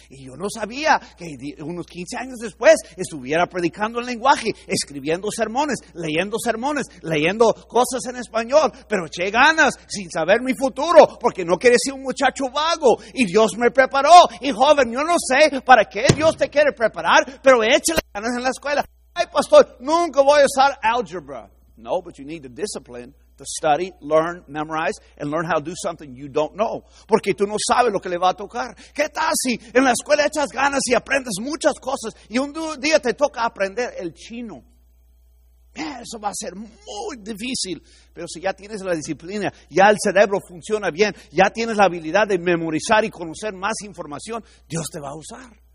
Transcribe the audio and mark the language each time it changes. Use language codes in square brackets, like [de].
[es] Y yo no sabía que unos 15 años después estuviera predicando el lenguaje, escribiendo sermones, leyendo cosas en español. Pero eché ganas sin saber mi futuro porque no quería ser un muchacho vago. Y Dios me preparó. Y joven, yo no sé para qué Dios te quiere preparar, pero échale ganas en la escuela. Ay, pastor, nunca voy a usar álgebra. [en] No, but you need the discipline to study, learn, memorize, and learn how to do something you don't know. [es] Porque tú no sabes lo que le va a tocar. ¿Qué tal si en la escuela echas ganas y aprendes muchas cosas y un día te toca aprender el chino? Eso va a ser muy difícil. Pero si ya tienes la disciplina, ya el cerebro funciona bien, ya tienes la habilidad de memorizar y conocer más información, Dios te va a usar.